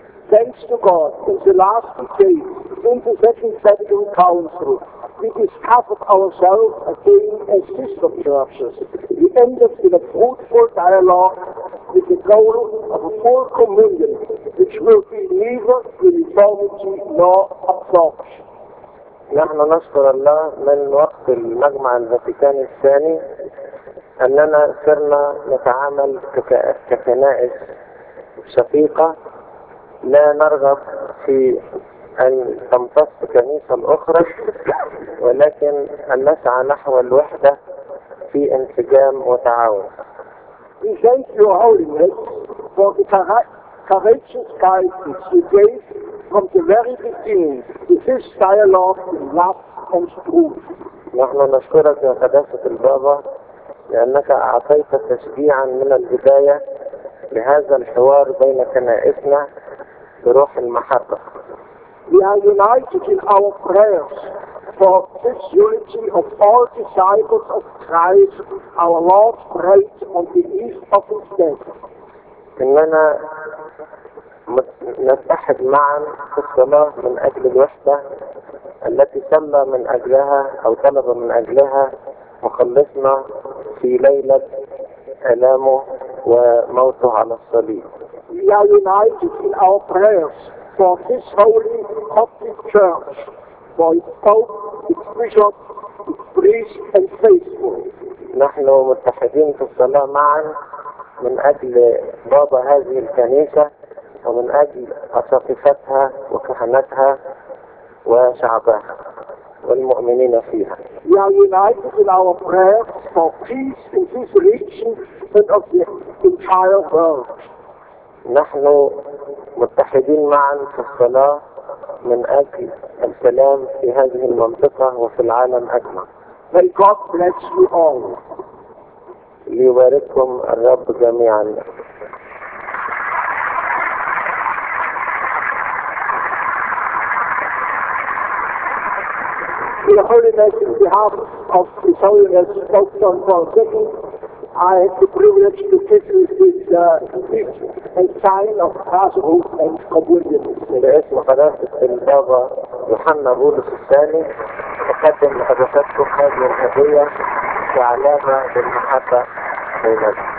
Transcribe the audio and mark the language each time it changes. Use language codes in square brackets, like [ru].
[en] Thanks to God, in the last decade, in the Second Vatican Council, we discovered ourselves again as sister churches. We ended in a fruitful dialogue with the goal of a full communion, which will be neither uniformity nor absorption. [ar] نحن نشكر الله من وقت المجمع الفاتيكاني الثاني أننا صرنا نتعامل ككنائس شقيقة. لا نرغب في أن تمتص كنيسة الأخرى ولكن أن نسعى نحو الوحدة في انسجام وتعاون. [en] We thank your holiness for the courageous guidance you gave from the very beginning to this dialogue in love and truth. [ar] نحن نشكرك يا قداسة البابا لأنك أعطيت تشجيعا من البداية لهذا الحوار بين كنائسنا بروح المحبة. [en] We are united in our prayers for this unity of all disciples of Christ, our Lord prayed on the eve of his death. [ar] إننا نتحد معا في الصلاة من أجل الوحدة التي صلى من أجلها أو طلب من أجلها مخلصنا في ليلة ألامه وموته على الصليب. [en] We are united in our prayers for this holy Catholic Church, for its Pope, its Bishop, its priest and faithful. [ar] نحن متحدين في الصلاة معا من أجل بابا هذه الكنيسة ومن أجل أساقفتها وكهنتها وشعبها والمؤمنين فيها. [en] We are united in our prayers for peace in this region and of the entire world. [ar] نحن متحدين معا في الصلاة من أجل السلام في هذه المنطقة وفي العالم أجمع. [en] May God bless you all. [ar] ليبارككم الرب جميعا. [en] Your Holiness, on behalf of His Holiness Pope John Paul II, I have the privilege to kiss you this gift and sign of Passover and Communion. [ar] باسم قداسة البابا يوحنا بولس الثاني أقدم لقداستكم هذه الهدية كعلامة للمحبة بيننا.